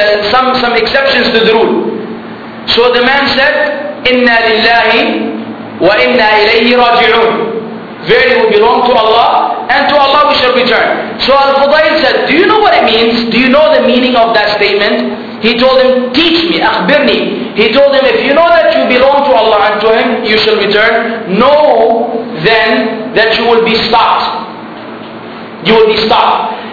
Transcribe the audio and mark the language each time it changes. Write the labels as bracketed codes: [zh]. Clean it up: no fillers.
[en] Some exceptions to the rule. So the man said, [ar] إِنَّا لِلَّهِ وَإِنَّا إِلَيْهِ رَاجِعُونَ. [en] Verily we belong to Allah, and to Allah we shall return. So Al-Fudayl said, do you know what it means? Do you know the meaning of that statement? He told him, teach me, [ar] أخبرني. [en] He told him, if you know that you belong to Allah and to Him, you shall return. Know then that you will be stopped. You will be stopped.